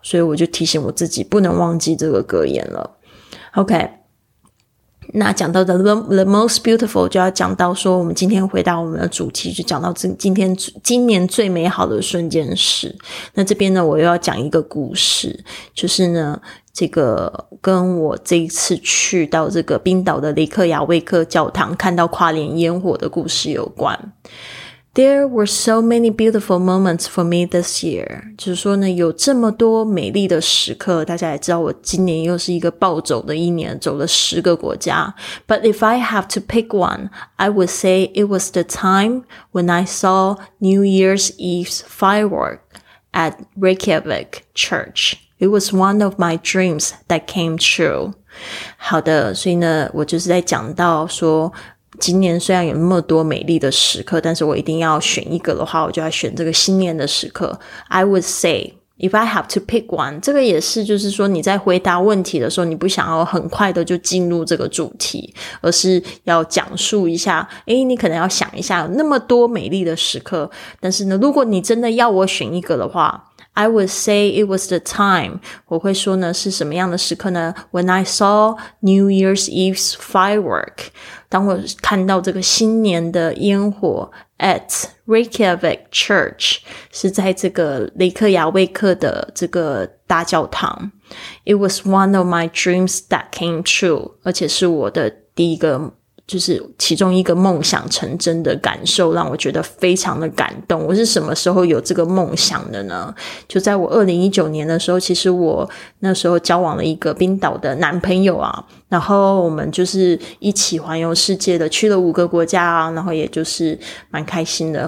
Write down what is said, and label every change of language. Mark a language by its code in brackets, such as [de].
[zh] 所以我就提醒我自己不能忘记这个格言了。OK, 那讲到 [en] the most beautiful [zh] 就要讲到说我们今天回答我们的主题，就讲到今年最美好的瞬间是，那这边呢我又要讲一个故事，就是呢这个跟我这一次去到这个冰岛的雷克雅未克教堂看到跨年烟火的故事有关。 [en] There were so many beautiful moments for me this year. [zh] 就是说呢，有这么多美丽的时刻，大家也知道我今年又是一个暴走的一年，走了十个国家。 [en] But if I have to pick one, I would say it was the time when I saw New Year's Eve's firework at Reykjavik Church. It was one of my dreams that came true. [zh] 好的，所以呢，我就是在讲到说今年虽然有那么多美丽的时刻，但是我一定要选一个的话，我就要选这个新年的时刻。 [en] I would say if I have to pick one, [zh] 这个也是就是说你在回答问题的时候，你不想要很快的就进入这个主题，而是要讲述一下，诶，你可能要想一下那么多美丽的时刻，但是呢如果你真的要我选一个的话， [en] I would say it was the time, [zh] 我会说呢是什么样的时刻呢？ [en] When I saw New Year's Eve's firework, [zh] 当我看到这个新年的烟火 [en] at Reykjavik Church, [zh] 是在这个雷克雅未克的这个大教堂。 [en] It was one of my dreams that came true, [zh] 而且是我的第一个就是其中一个梦想成真的感受让我觉得非常的感动。我是什么时候有这个梦想的呢？就在我2019年的时候，其实我那时候交往了一个冰岛的男朋友啊，然后我们就是一起环游世界的，去了五个国家啊，然后也就是蛮开心的。